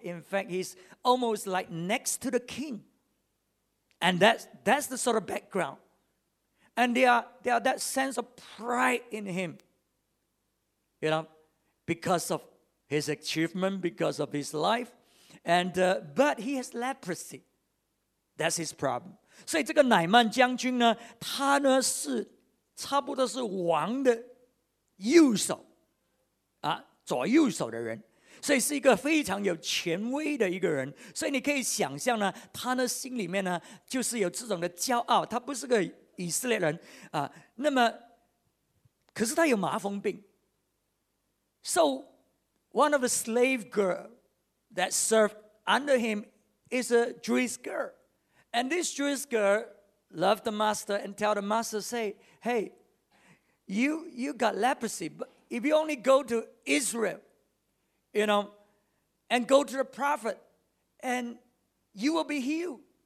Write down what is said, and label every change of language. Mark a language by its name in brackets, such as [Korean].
[English] In fact, he's almost like next to the king. And that's the sort of background. And there are that sense of pride in him, you know, because of,His achievement because of his life. And, but he has leprosy. That's his problem. [Chinese] 所以这个乃曼将军呢他呢是差不多是王的右手左右手的人。所以是一个非常有权威的一个人。所以你可以想象呢他呢心里面呢就是有这种的骄傲他不是个以色列人那么可是他有麻风病。 [English] So,One of the slave girl that served under him is a Jewish girl. And this Jewish girl loved the master and tell the master, say, hey, you got leprosy, but if you only go to Israel, you know, and go to the prophet, and you will be healed.